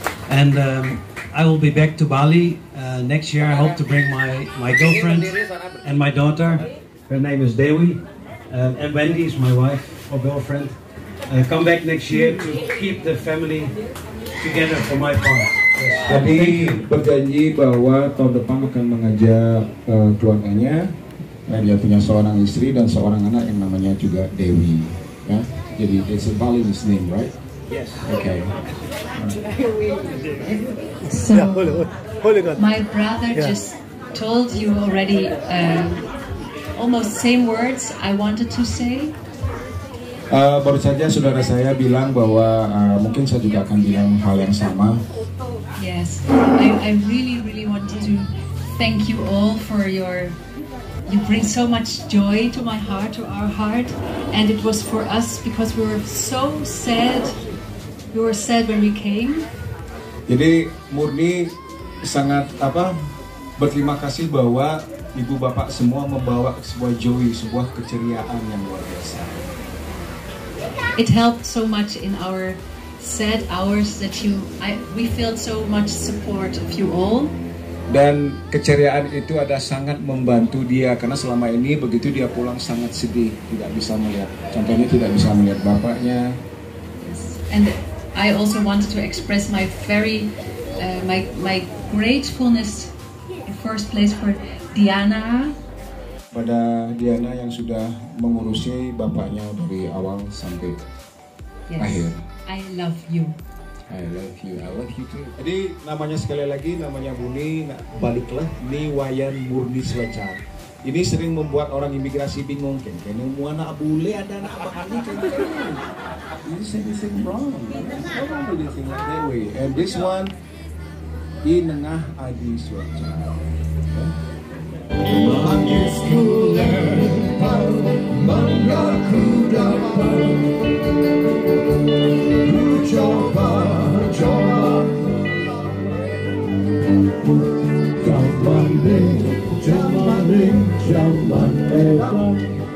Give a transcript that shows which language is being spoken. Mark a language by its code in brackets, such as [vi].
[en] And I will be back to Bali next year. I hope to bring my girlfriend and my daughter. Her name is Dewi, and Wendy is my wife or girlfriend. Come back next year to keep the family together for my part. [id] Tapi berjanji bahwa tahun depan akan mengajak keluarganya. Nah, dia punya seorang istri dan seorang anak yang namanya juga Dewi. Ya, jadi [en] it's a Balinese name, right? Yes. Okay. So, my brother just told you already almost same words I wanted to say. [id] Baru saja saudara saya bilang bahwa mungkin saya juga akan bilang hal yang sama. [en] Yes, I really, really want to thank you all for your. You bring so much joy to my heart, to our heart, and it was for us because we were so sad. We were sad when we came. [id] Jadi Murni sangat berterima kasih bahwa ibu bapak semua membawa sebuah joy, sebuah keceriaan yang luar biasa. [en] It helped so much in our sad hours that we felt so much support of you all. [id] Dan keceriaan itu ada sangat membantu dia karena selama ini begitu dia pulang sangat sedih, tidak bisa melihat. Contohnya tidak bisa melihat bapaknya. [en] Yes. And I also wanted to express my very my gratefulness in first place for Diana. [id] Pada Diana yang sudah mengurusi bapaknya dari awal sampai akhir. [en] I love you. I love you. I love you too. [id] Jadi namanya sekali lagi, namanya Murni, baliklah, Ni Wayan Murni Selacar. Ini sering membuat orang imigrasi bingung, kan? Kayaknya mau anak bule, ada anak apa ini, kan? [en] You say this thing wrong. What about this thing like that way? And this one, Di Nengah Adi Selacar. Manis kuler paru mangga ku dapat ku coba jaman elang